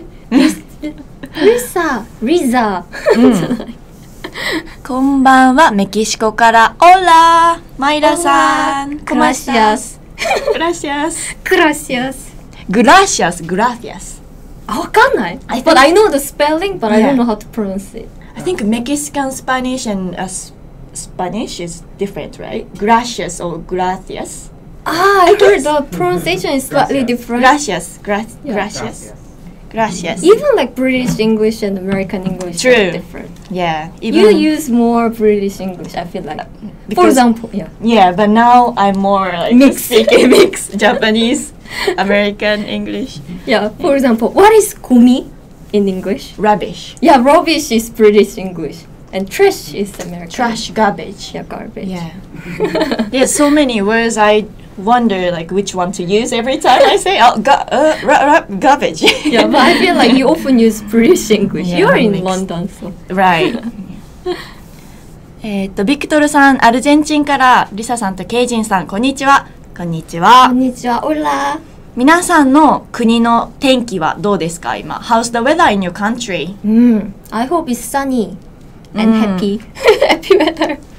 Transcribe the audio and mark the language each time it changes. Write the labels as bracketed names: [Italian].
[Japanese] リザ、リザ。こんばんは、メキシコから。オーラーマイラさん。 [Spanish] クラシアス。クラシアス。クラシアス。グラシアス、グラシアス。 [Japanese] わかんない。 [English] I think, but I know the spelling, but、yeah. I don't know how to pronounce it. I think Mexican Spanish and、Spanish is different, right? [Spanish] Gracias or gracias. [English] Ah, I hear the pronunciation is slightly different. [Spanish] Gracias, gracias, gracias. [English] Even like British English and American English、 True. Are different. Yeah. Even you use more British English, I feel like. Because, For example, yeah. Yeah, but now I'm more like mixed. Mix Japanese. American English. Yeah, for example, what is kumi in English? Rubbish. Yeah, rubbish is British English. And trash is American. Trash, garbage. Yeah, garbage. Yeah. Yeah, so many words, I wonder like which one to use every time I say garbage. Yeah, but I feel like you often use British English. Yeah, you are in London, so. Right. [Japanese] ビクトルさん、アルゼンチンから、リサさんとケイジンさん、こんにちは。こんにちは。こんにちは。オラ。皆さんの国の天気はどうですか今。 [English] How's the weather in your country? I hope it's sunny and happy. Happy weather.